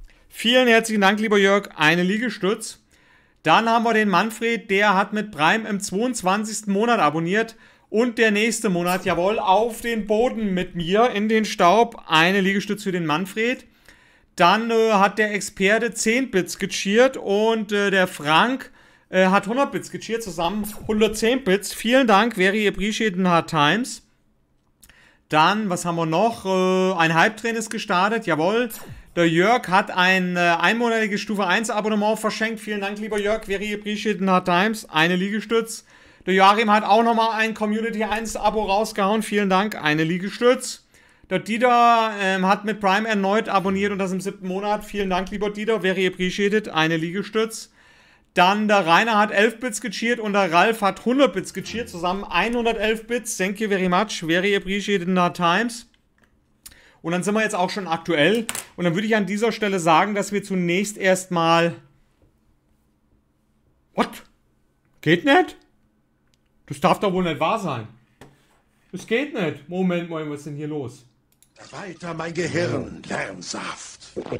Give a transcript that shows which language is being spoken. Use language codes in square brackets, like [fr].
[de] Vielen herzlichen Dank, lieber Jörg, eine Liegestütz. Dann haben wir den Manfred, der hat mit Prime im 22. Monat abonniert. Und der nächste Monat, jawohl, auf den Boden mit mir, in den Staub, eine Liegestütze für den Manfred. Dann hat der Experte 10 Bits gecheert und der Frank hat 100 Bits gecheert, zusammen 110 Bits. Vielen Dank, [en] very appreciated in hard times. [de] Dann, was haben wir noch? Ein Hype-Train ist gestartet, jawohl. Der Jörg hat ein einmonatiges Stufe 1 Abonnement verschenkt. Vielen Dank, lieber Jörg, [en] very appreciated in hard times, [de] eine Liegestütze. Der Joachim hat auch nochmal ein Community 1 Abo rausgehauen. Vielen Dank, eine Liegestütz. Der Dieter hat mit Prime erneut abonniert und das im 7. Monat. Vielen Dank, lieber Dieter, [en] very appreciated, [de] eine Liegestütz. Dann der Rainer hat 11 Bits gecheert und der Ralf hat 100 Bits gecheert, zusammen 111 Bits. [en] Thank you very much, very appreciated in our times. [de] Und dann sind wir jetzt auch schon aktuell. Und dann würde ich an dieser Stelle sagen, dass wir zunächst erstmal... [en] What? [de] Geht nicht? Das darf doch wohl nicht wahr sein. Es geht nicht. Moment mal, was ist denn hier los? Weiter, mein Gehirn, Lärmsaft.